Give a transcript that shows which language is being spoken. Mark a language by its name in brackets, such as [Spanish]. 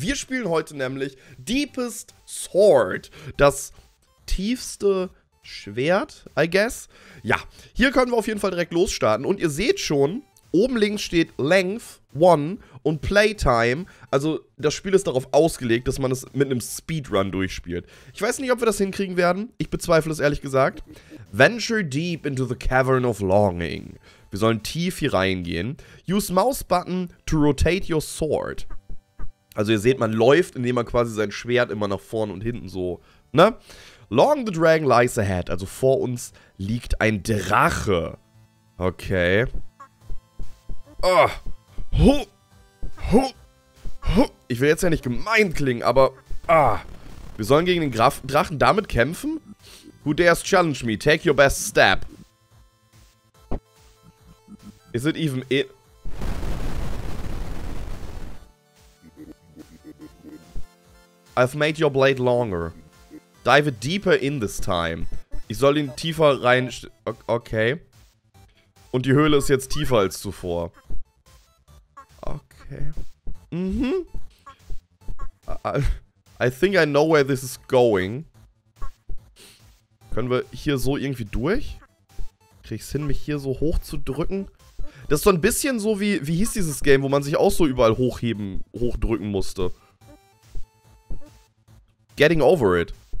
[German] Wir spielen heute nämlich Deepest Sword, das tiefste Schwert, [English] I guess. [German] Ja, hier können wir auf jeden Fall direkt losstarten und ihr seht schon, oben links steht Length 1 und Playtime. Also das Spiel ist darauf ausgelegt, dass man es mit einem Speedrun durchspielt. Ich weiß nicht, ob wir das hinkriegen werden. Ich bezweifle es ehrlich gesagt. [English] Venture deep into the cavern of longing. [German] Wir sollen tief hier reingehen. [English] Use mouse button to rotate your sword. [German] Also ihr seht, man läuft, indem man quasi sein Schwert immer nach vorne und hinten so, ne? [English] Long the dragon lies ahead. [German] Also vor uns liegt ein Drache. Okay. Oh. Huh. Huh. Huh. Ich will jetzt ja nicht gemein klingen, aber ah. Wir sollen gegen den Drachen damit kämpfen? [English] Who dares challenge me? Take your best step. Is it even in? I've made your blade longer. Dive it deeper in this time. [German] Ich soll ihn tiefer rein... Okay. Und die Höhle ist jetzt tiefer als zuvor. Okay. Mhm. [English] I think I know where this is going. [German] Können wir hier so irgendwie durch? Krieg ich's hin, mich hier so hoch zu drücken? Das ist so ein bisschen so wie... Wie hieß dieses Game, wo man sich auch so überall hochheben, hochdrücken musste? [English] Getting over it.